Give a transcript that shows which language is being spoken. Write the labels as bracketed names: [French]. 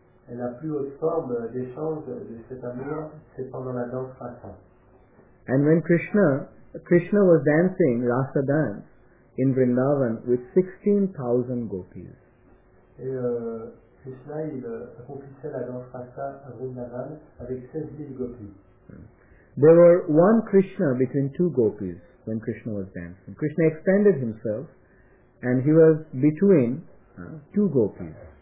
[French] Et la plus haute forme d'échange de cet amour, c'est pendant la danse rasa. [English] And when Krishna was dancing rasa dance in Vrindavan with 16,000 gopis. [French] Et Krishna, il accomplissait la danse rasa à Vrindavan avec 16,000 gopis. [English] There were one Krishna between two gopis when Krishna was dancing. Krishna extended himself and he was between two gopis.